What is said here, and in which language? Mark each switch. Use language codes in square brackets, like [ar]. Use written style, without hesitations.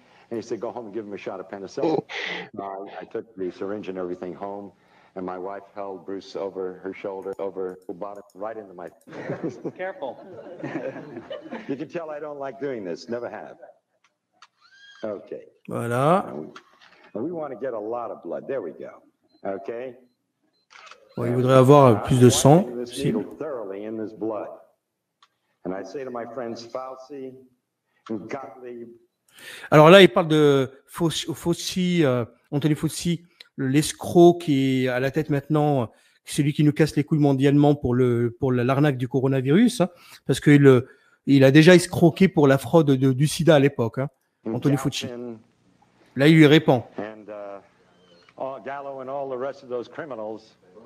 [en] And he said, go home and give him a shot of penicillin. I took the syringe and everything home, and my wife held Bruce over her shoulder, over her bottom, right into my... Careful. You can tell I don't like doing this. Never have. Okay. [fr] Voilà. [en] And we want to get a lot of blood. There we go. Okay. [fr] Ouais, il voudrait avoir plus de sang, possible. [en] Thoroughly in this blood. And I say to my friends, Fauci and Gottlieb, [fr] alors là, il parle de Fauci, Anthony Fauci, l'escroc qui est à la tête maintenant, celui qui nous casse les couilles mondialement pour l'arnaque du coronavirus, hein, parce qu'il a déjà escroqué pour la fraude du sida à l'époque, hein, Anthony Fauci. Là, il lui répond. [en] And, Gallo and all the rest of those criminals.